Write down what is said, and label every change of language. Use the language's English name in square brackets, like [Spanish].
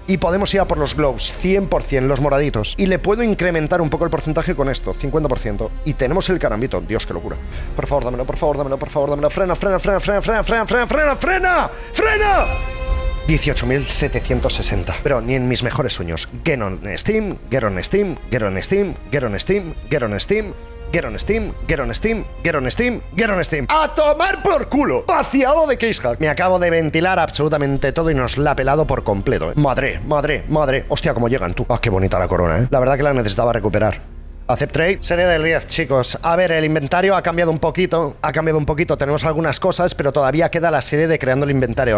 [Spanish] Y podemos ir a por los globes. 100%, los moraditos. Y le puedo incrementar un poco el porcentaje con esto. 50%. Y tenemos el carambito. Dios, qué locura. Por favor, dámelo, por favor, dámelo, por favor, dámelo. ¡Frena, frena, frena, frena, frena, frena, frena, frena, frena! ¡Frena! 18.760. Pero ni en mis mejores sueños. [English] Get on Steam, get on Steam, get on Steam, get on Steam, get on Steam. Get on Steam, get on Steam, get on Steam, get on Steam. [Spanish] ¡A tomar por culo! ¡Vaciado de casehack! Me acabo de ventilar absolutamente todo y nos la ha pelado por completo, ¿eh? ¡Madre, madre, madre! ¡Hostia, cómo llegan tú! ¡Ah, oh, qué bonita la corona, eh! La verdad que la necesitaba recuperar. Accept trade. Serie del 10, chicos. A ver, el inventario ha cambiado un poquito. Ha cambiado un poquito. Tenemos algunas cosas, pero todavía queda la serie de creando el inventario.